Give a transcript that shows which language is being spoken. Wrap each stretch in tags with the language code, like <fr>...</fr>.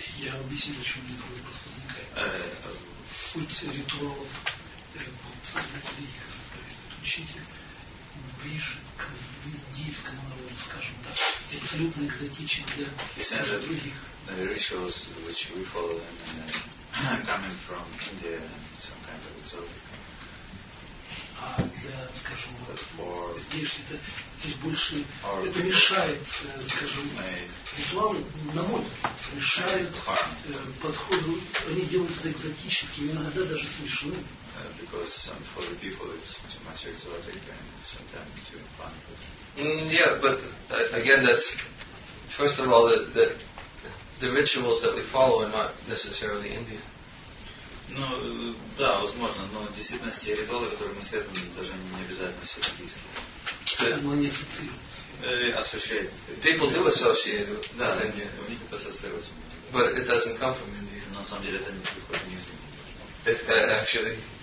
<ru>Я объясню, суть ритуалов вот учитель ближе к индийскому народу, скажем так, абсолютно экзотичен для других.</ru> <en>The rituals which we follow and coming from India and some kind of exotic.</en> <ru>Для, скажем, здесь это здесь больше это мешает, скажем, ритуалы, на мой взгляд, мешают подходу, они делаются экзотическими, иногда даже смешными.</ru> <en>Because for the people it's too much exotic and sometimes it's even fun. Yeah, but again, that's first of all the rituals that we follow are not necessarily Indian.</en> <ru>Ну, да, возможно, но в действительности ритуалы, которые мы следуем, даже не обязательно все индийские. Но они ассоциируются.</ru> <en>People do associate.</en> <ru>Да, у них это ассоциируется.</ru> <en>But it doesn't come from India.</en> <ru>Но на самом деле это не приходит из Индии.</ru>